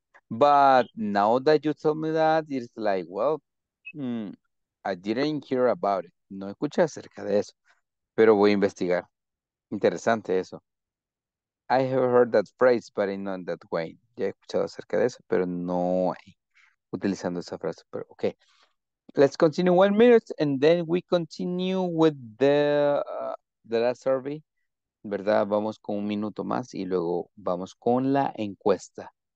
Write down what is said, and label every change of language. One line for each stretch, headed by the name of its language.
English: But now that you told me that, it's like, well. I didn't hear about it.
Spanish: No escuché acerca de eso, pero voy a investigar. Interesante eso.
English: I have heard that phrase, but in not that way.
Spanish: Ya he escuchado acerca de eso, pero no utilizando esa frase. Pero ok.
English: Let's continue 1 minute and then we continue with the last survey.
Spanish: ¿Verdad? Vamos con 1 minuto más y luego vamos con la encuesta.